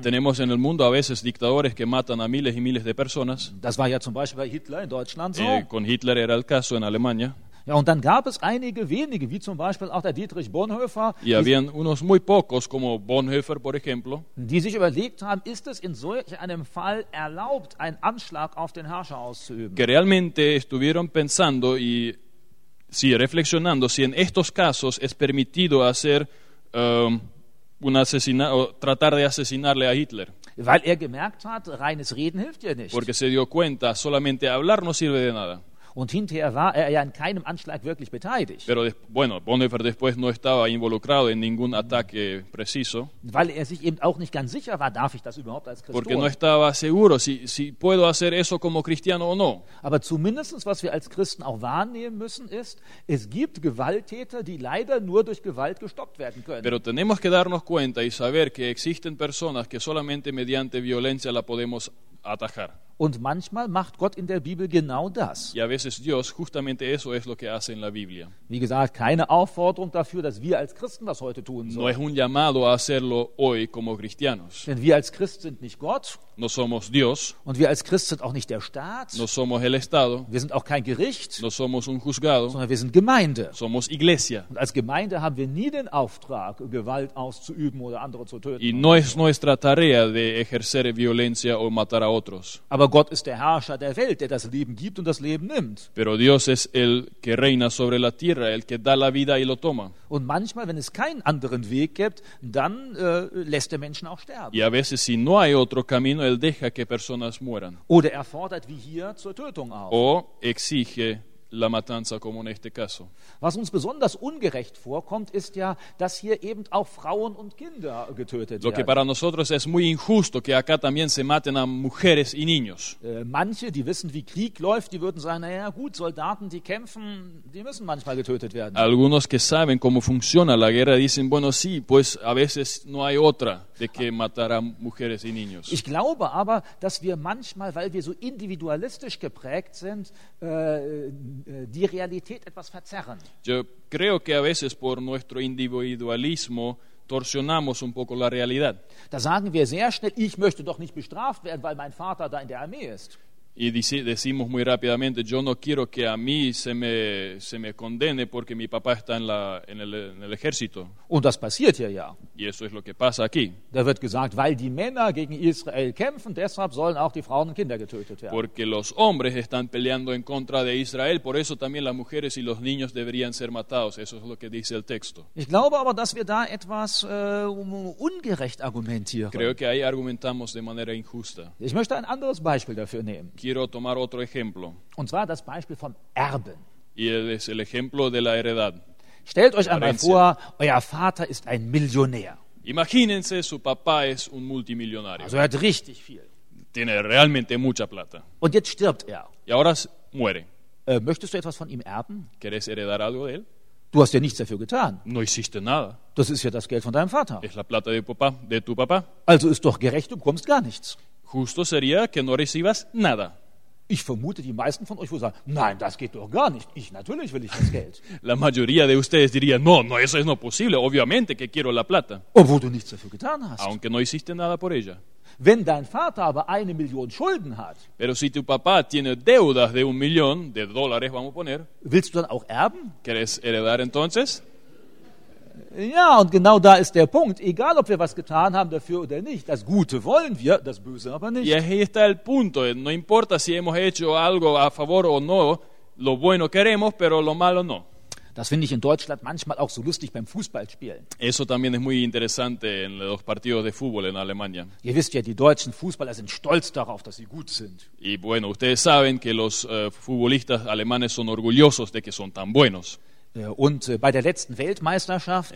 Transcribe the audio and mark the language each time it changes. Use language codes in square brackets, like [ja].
[es] Tenemos en el mundo a veces dictadores que matan a miles y miles de personas. [de] Das war ja zum Beispiel bei Hitler in Deutschland so. [es] Con Hitler era el caso en Alemania. [de] Ja, und dann gab es einige wenige, wie zum Beispiel auch der Dietrich Bonhoeffer. [es] Y habían unos muy pocos, como Bonhoeffer, por ejemplo. [de] Die sich überlegt haben, ist es in solch einem Fall erlaubt, einen Anschlag auf den Herrscher auszuüben? [es] Que realmente estuvieron pensando y sí, reflexionando si en estos casos es permitido hacer un asesinato, tratar de asesinarle a Hitler. [de] Weil er gemerkt hat, reines Reden hilft ja nicht. [es] Porque se dio cuenta, solamente hablar no sirve de nada. [de] Und hinterher war er ja an keinem Anschlag wirklich beteiligt. [es] Pero bueno, Bonhoeffer después no estaba involucrado en ningún ataque preciso. [de] Weil er sich eben auch nicht ganz sicher war, darf ich das überhaupt als Christ tun? [es] Porque no estaba seguro si puedo hacer eso como cristiano o no. [de] Aber zumindest, was wir als Christen auch wahrnehmen müssen, ist, es gibt Gewalttäter, die leider nur durch Gewalt gestoppt werden können. [es] Pero tenemos que darnos cuenta y saber que existen personas que solamente mediante violencia la podemos atajar. [de] Und manchmal macht Gott in der Bibel genau das. [es] Y a veces Dios justamente eso es lo que hace en la Biblia. [de] Wie gesagt, keine Aufforderung dafür, dass wir als Christen das heute tun sollen. [es] No es un llamado a hacerlo hoy como cristianos. [de] Denn wir als Christ sind nicht Gott. [es] No somos Dios. [de] Und wir als Christ sind auch nicht der Staat. [es] No somos el Estado. [de] Wir sind auch kein Gericht. [es] No somos un juzgado. [de] Sondern wir sind Gemeinde. [es] Somos Iglesia. [de] Und als Gemeinde haben wir nie den Auftrag, Gewalt auszuüben oder andere zu töten. [es] Y no es nuestra tarea de ejercer violencia o matar a otros. [de] Aber Gott ist der Herrscher der Welt, der das Leben gibt und das Leben nimmt. [es] Pero Dios es el que reina sobre la tierra, el que da la vida y lo toma. [de] Und manchmal, wenn es keinen anderen Weg gibt, dann lässt der Menschen auch sterben. [es] Y a veces si no hay otro camino, él deja que personas mueran. [de] Oder er fordert wie hier zur Tötung auf. [es] O exige la matanza como en este caso. [de] Was uns besonders ungerecht vorkommt, ist ja, dass hier eben auch Frauen und Kinder getötet werden. [es] Lo que para nosotros es muy injusto que acá también se maten a mujeres y niños. [de] Manche, die wissen, wie Krieg läuft, die würden sagen, naja, gut, Soldaten, die kämpfen, die müssen manchmal getötet werden. [es] Algunos que saben cómo funciona la guerra dicen, bueno, sí, pues a veces no hay otra de que matar a mujeres y niños. [de] Ich glaube aber, dass wir manchmal, weil wir so individualistisch geprägt sind, die Realität etwas verzerren. [es] Yo creo que a veces por nuestro individualismo torsionamos un poco la realidad. [de] Da sagen wir sehr schnell, ich möchte doch nicht bestraft werden, weil mein Vater da in der Armee ist. [es] Y decimos muy rápidamente, yo no quiero que a mí se me condene porque mi papá está en el ejército. [de] Und das passiert hier ja. [es] Y eso es lo que pasa aquí. [de] Da wird gesagt, weil die Männer gegen Israel kämpfen, deshalb sollen auch die Frauen und Kinder getötet werden. [es] Porque los hombres están peleando en contra de Israel, por eso también las mujeres y los niños deberían ser matados. Eso es lo que dice el texto. [de] Ich glaube aber, dass wir da etwas ungerecht argumentieren. [es] Creo que ahí argumentamos de manera injusta. [de] Ich möchte ein anderes Beispiel dafür nehmen. [es] Quiero tomar otro ejemplo. [de] Und zwar das Beispiel vom Erben. [es] Y es el ejemplo de la heredad. [de] Stellt euch einmal vor, euer Vater ist ein Millionär. [es] Imagínense, su papá es un multimillonario. [de] Also er hat richtig viel. [es] Tiene realmente mucha plata. [de] Und jetzt stirbt er. [es] Y ahora muere. [de] Möchtest du etwas von ihm erben? [es] ¿Quieres heredar algo de él? [de] Du hast ja nichts dafür getan. [es] No hiciste nada. [de] Das ist ja das Geld von deinem Vater. [es] Es la plata de papá, de tu papá. [de] Also ist doch gerecht, du bekommst gar nichts. [es] Justo sería que no recibas nada. [de] Ich vermute, die meisten von euch würden sagen, nein, das geht doch gar nicht. Ich, natürlich will ich das Geld. [es] La mayoría de ustedes diría, no, no, eso es no posible. Obviamente que quiero la plata. [de] Obwohl du nichts dafür getan hast. [es] Aunque no hiciste nada por ella. [de] Wenn dein Vater aber eine Million Schulden hat, [es] pero si tu papá tiene deudas de un millón de dólares, vamos a poner, [de] willst du dann auch erben? [es] ¿Quieres heredar entonces? [de] Ja, und genau da ist der Punkt. Egal, ob wir was getan haben dafür oder nicht, das Gute wollen wir, das Böse aber nicht. [es] Y ahí está el punto. No importa si hemos hecho algo a favor o no, lo bueno queremos, pero lo malo no. [de] Das finde ich in Deutschland manchmal auch so lustig beim Fußballspielen. [es] Eso también es muy interesante en los partidos de fútbol en Alemania. [de] Ihr wisst ja, die deutschen Fußballer sind stolz darauf, dass sie gut sind. [es] Y bueno, ustedes saben que los futbolistas alemanes son orgullosos de que son tan buenos. [de] Und bei der letzten Weltmeisterschaft,